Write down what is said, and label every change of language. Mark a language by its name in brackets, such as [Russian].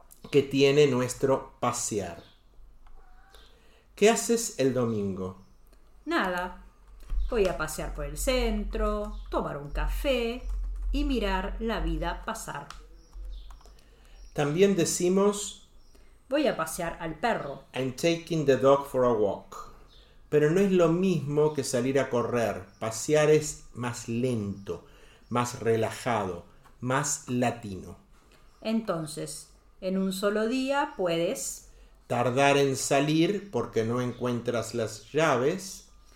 [Spanish] que tiene nuestro pasear. ¿Qué haces el domingo? Nada. Voy a pasear por el centro, tomar un café y mirar la vida pasar. También decimos... Voy a pasear al perro. [English] I'm taking the dog for a walk. [Spanish] Pero no es lo mismo que salir a correr. Pasear es más lento, más relajado, más latino. Entonces, en un solo día puedes... Tardar en salir porque no encuentras las llaves.